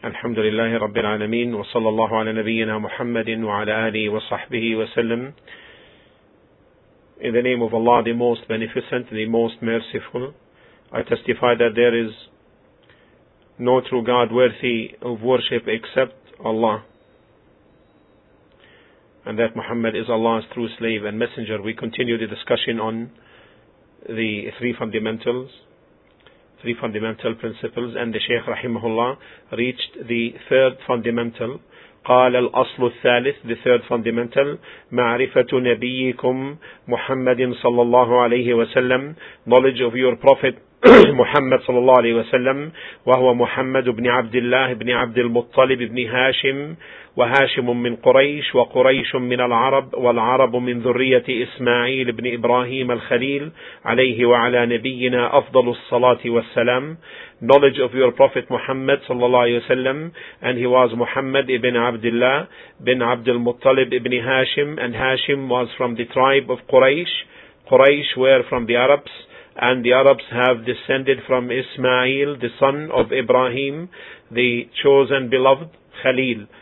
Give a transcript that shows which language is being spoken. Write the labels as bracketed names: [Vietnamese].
[Arabic] الحمد لله رب العالمين، وصلى الله على نبينا محمد وعلى آله وصحبه وسلم. [English] In the name of Allah, the most beneficent, the most merciful, I testify that there is no true God worthy of worship except Allah, and that Muhammad is Allah's true slave and messenger. We continue the discussion on the three fundamental principles, and the Shaykh rahimahullah reached the third fundamental. [Arabic] قال الأصل الثالث, [English] the third fundamental, [Arabic] معرفة نبيكم محمد صلى الله عليه وسلم, [English] knowledge of your prophet [Arabic] محمد صلى الله عليه وسلم, وهو محمد بن عبد الله بن عبد المطلب بن هاشم, وهاشم من قريش, وقريش من العرب, والعرب من ذرية إسماعيل بن إبراهيم الخليل عليه وعلى نبينا أفضل الصلاة والسلام. [English] Knowledge of your Prophet Muhammad [Arabic] صلى الله عليه وسلم, [English] and he was Muhammad ibn Abdullah bin Abdul Muttalib ibn Hashim, and Hashim was from the tribe of Quraysh. Quraysh were from the Arabs, and the Arabs have descended from Ismail, the son of Ibrahim, the chosen beloved Khalil.